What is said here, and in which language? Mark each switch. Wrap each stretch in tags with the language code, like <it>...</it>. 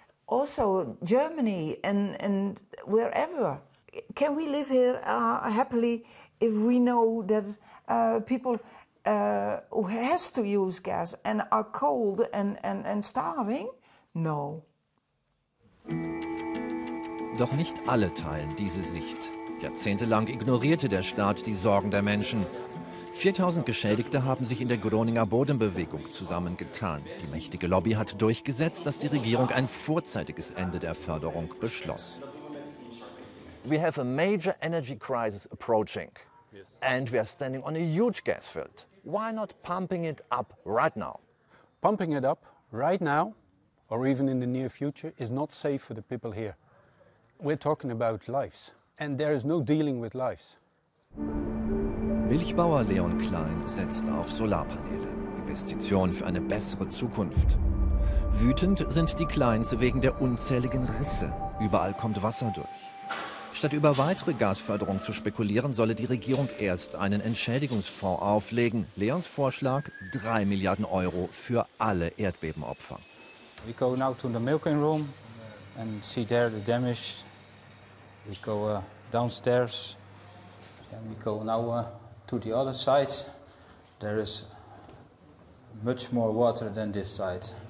<en>Also, Germany and wherever. Can we live here happily if we know that people who has to use gas and are cold and starving? No.</en> <de>Doch nicht alle teilen diese Sicht. Jahrzehntelang ignorierte der Staat die Sorgen der Menschen. 4000 Geschädigte haben sich in der Groninger Bodenbewegung zusammengetan. Die mächtige Lobby hat durchgesetzt, dass die Regierung ein vorzeitiges Ende der Förderung beschloss.</de> <en>We have a major energy crisis approaching and we are standing on a huge gas field. Why not pumping it up right now? Pumping it up right now or even in the near future is not safe for the people here. We're talking about lives and there is no dealing with lives.</en> <de>Milchbauer Leon Klein setzt auf Solarpaneele. Investition für eine bessere Zukunft. Wütend sind die Kleins wegen der unzähligen Risse. Überall kommt Wasser durch. Statt über weitere Gasförderung zu spekulieren, solle die Regierung erst einen Entschädigungsfonds auflegen. Leons Vorschlag: 3 Milliarden Euro für alle Erdbebenopfer.</de> <en>We go now to the milking room and see there the damage. We go downstairs. Then we go now to the other side. There is much more water than this side.</en>